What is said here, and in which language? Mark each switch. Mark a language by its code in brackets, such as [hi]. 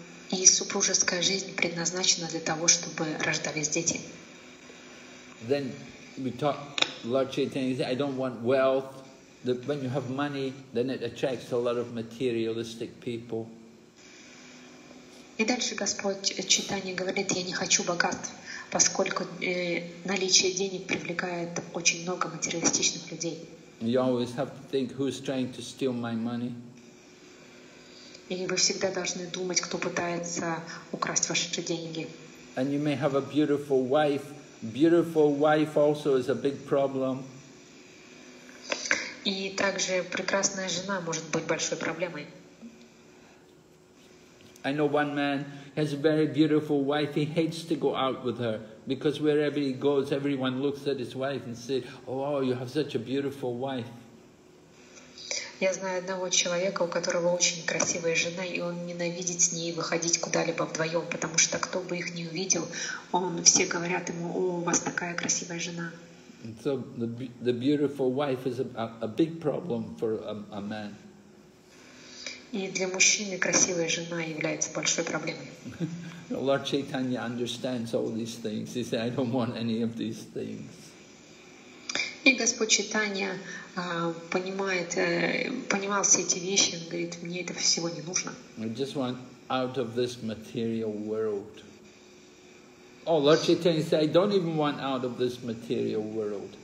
[ru] И супружеская жизнь предназначена для того, чтобы рождались дети. [en] Then we talk, Lord Chaitanya said, I don't want wealth. That when you have money, then it attracts a lot of materialistic people. [ru] И дальше Господь Чайтанья говорит, я не хочу богатств, поскольку наличие денег привлекает очень много материалистичных людей. [en] You always have to think who's trying to steal my money. [ru] И вы всегда должны думать, кто пытается украсть ваши деньги. [en] And you may have a beautiful wife. Beautiful wife also is a big problem. [ru] И также прекрасная жена может быть большой проблемой. [en] I know one man has a very beautiful wife. He hates to go out with her because wherever he goes, everyone looks at his wife and says, "Oh, you have such a beautiful wife." [ru] Я знаю одного человека, у которого очень красивая жена, и он ненавидит с ней выходить куда-либо вдвоем, потому что кто бы их ни увидел, он все говорят ему: "О, у вас такая красивая жена." [en] And so the beautiful wife is a big problem for a man. [ru] И для мужчины красивая жена является большой проблемой. [en] Lord Chaitanya understands all these things. He said, "I don't want any of these things." [ru] И Господь Чайтанья понимал все эти вещи. Он говорит, мне это всего не нужно. [en] I just want out of this material world. Oh, Lord Chaitanya said, I don't even want out of this material world.